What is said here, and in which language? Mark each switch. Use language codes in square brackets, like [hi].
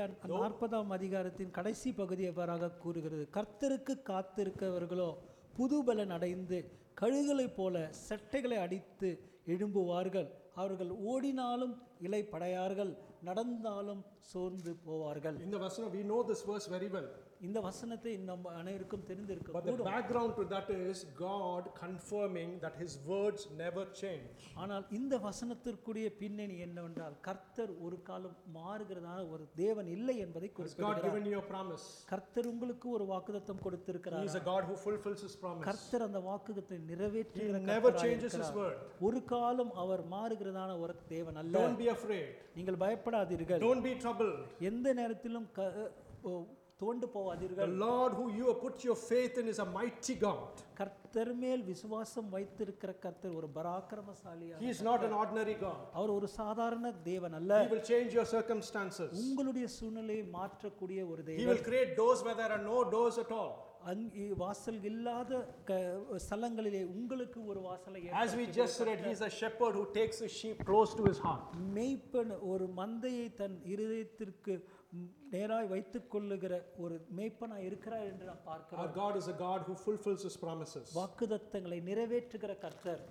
[ta] நாற்பதாம் அதிகாரத்தின் கடைசி பகுதியாக கூறுகிறது, கர்த்தருக்கு காத்திருக்கிறவர்களோ புதுபலன் அடைந்து கழுகளை போல சட்டைகளை அடித்து எழும்புவார்கள். அவர்கள் ஓடினாலும் இலை படையார்கள், நடந்தாலும் சோர்ந்து போவார்கள். இந்த வசனம், [en] we know this verse very well. [ta] இந்த வசனத்தை நம்ம அனைவருக்கும் தெரிந்திருக்கும். [en] But the background to that is God confirming that his words never change. [ta] ஆனால் இந்த வசனத்திற்குரிய பின்னணி என்னவென்றால், கர்த்தர் ஒரு காலம் மாறுகிறதான ஒரு தேவன் இல்லை என்பதை குறிப்பிடுகிறது. [en] God given you a promise. [ta] கர்த்தர் உங்களுக்கு ஒரு வாக்குத்தத்தம் கொடுத்திருக்கிறார். [en] He is a God who fulfills his promise. [ta] கர்த்தர் அந்த வாக்குத்தத்தை நிறைவேற்றுகிற கர்த்தர். [en] He never changes his word. [ta] ஒரு காலம் அவர் மாறுகிறதான ஒரு தேவன் அல்ல. [en] Don't be afraid. [ta] நீங்கள் பயப்படாதீர்கள். [en] Don't be troubled. [ta] எந்த நேரத்திலும் தோண்டு போவாதீர்கள். [en] The Lord who you have put your faith in is a mighty God. [ta] கர்த்தர் மேல் விசுவாசம் வைத்திருக்கிற கர்த்தர் ஒரு பராக்கிரமசாலியா. [en] He is not an ordinary God. [ta] அவர் ஒரு சாதாரண தேவன் அல்ல. [en] He will change your circumstances. [ta] உங்களுடைய சூழ்நிலையை மாற்றக்கூடிய ஒரு தேவன். [en] He will create doors where there are no doors at all. [ta] அங்கி வாசல் இல்லாத ஸ்தலங்களிலே உங்களுக்கு ஒரு வாசலை. [en] As we just read, he is a shepherd who takes his sheep close to his heart. [ta] மேய்ப்பன் ஒரு மந்தையை தன் இருதயத்திற்கு நேராய் வைத்துக் கொள்ளுகிற ஒரு மேய்ப்பனாய் இருக்கிறார் என்று நான் பார்க்கிறேன். [en] Our God is a God who fulfills his promises. [ta] வாக்குத்தத்தங்களை நிறைவேற்றுகிற கர்த்தர்.